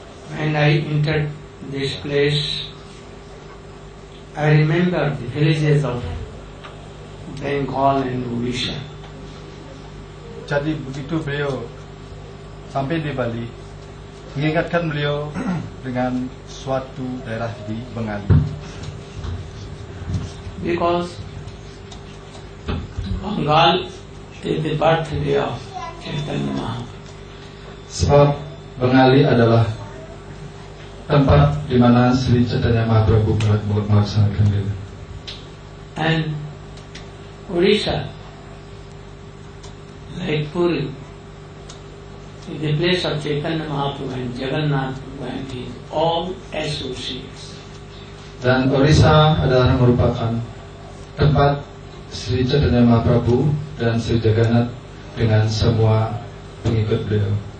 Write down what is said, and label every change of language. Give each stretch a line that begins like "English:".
English: When I entered this place, I remember the villages of Bengal and Odisha.
Indonesian: Jadi begitu beliau sampai di Bali, mengingatkan beliau dengan suatu daerah di Bengali.
English: Because Bengal is the birthplace of Chaitanya Mahaprabhu.
Indonesian: Sebab Bengali adalah tempat di mana Sri Chaitanya Mahaprabhu melaksanakan diri.
English: And Orissa, like Puri, in the place of Chaitanya Mahaprabhu and Jagannath and his all associates.
Indonesian: Dan Orissa adalah merupakan tempat Sri Chaitanya Mahaprabhu dan Sri Jagannath dengan semua pengikut beliau.